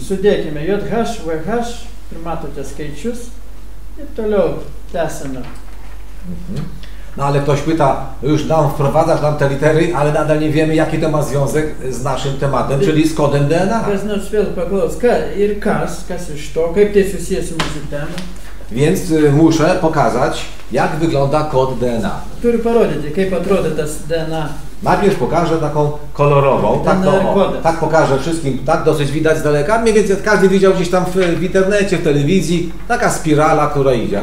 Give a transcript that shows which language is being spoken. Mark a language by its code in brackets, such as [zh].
[lt] Sudėkime JH, VH, ir matote skaičius, i toliau tęsime. [pl] No ale ktoś pyta, już nam wprowadzasz nam te litery, ale nadal nie wiemy, jaki to ma związek z naszym tematem, czyli z kodem DNA. [lt] Kas nors vėl paklaus, ką ir kas, kas iš to, kaip tai susiję su mūsų temą. [pl] Więc muszę pokazać, jak wygląda kod DNA. [lt] Turiu parodyti, kaip atrodo tas DNA. [pl] Najpierw pokażę taką kolorową, tak, to, tak pokażę wszystkim, tak dosyć widać z daleka. Mniej więcej każdy widział gdzieś tam w internecie, w telewizji, taka spirala, która idzie.